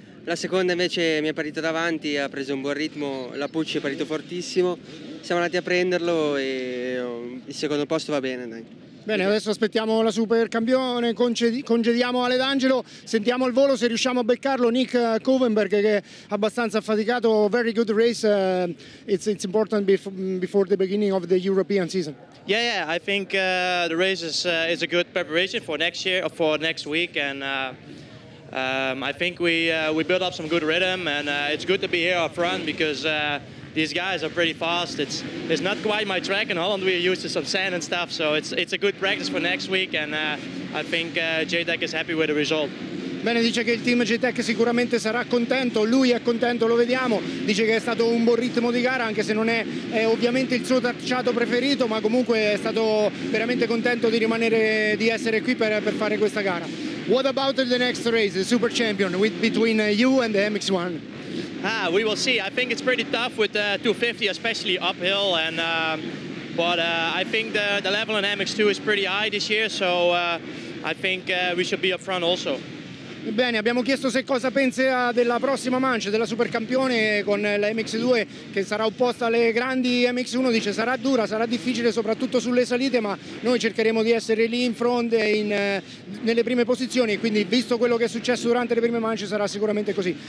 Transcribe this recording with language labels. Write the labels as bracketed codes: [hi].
[it] La seconda invece mi è partito davanti, ha preso un buon ritmo, la Pucci è partito fortissimo, siamo andati a prenderlo e il secondo posto va bene. Dai. Bene, adesso aspettiamo la Supercampione, congediamo Ale D'Angelo, sentiamo il volo se riusciamo a beccarlo, Nick Kuvenberg che è abbastanza affaticato. [en] Very good race, it's important before the beginning of the European season. Yeah, yeah, I think the race is a good preparation for next year, for next week, and I think we built up some good rhythm, and it's good to be here up front because these guys are pretty fast. It's not quite my track in Holland. We're used to some sand and stuff, so it's a good practice for next week, and I think JTEC is happy with the result. [it] Bene, dice che il team JTEC sicuramente sarà contento, lui è contento, lo vediamo, dice che è stato un buon ritmo di gara, anche se non è ovviamente il suo tracciato preferito, ma comunque è stato veramente contento di rimanere, di essere qui per fare questa gara. [en] What about the next race, the Super Champion, between you and the MX1? Ah, we will see. I think it's pretty tough with 250, especially uphill. And I think the level in MX2 is pretty high this year, so I think we should be up front also. [it] Bene, abbiamo chiesto se cosa pensa della prossima manche, della Supercampione con la MX2 che sarà opposta alle grandi MX1, dice sarà dura, sarà difficile soprattutto sulle salite, ma noi cercheremo di essere lì in fronte nelle prime posizioni, quindi visto quello che è successo durante le prime manche sarà sicuramente così.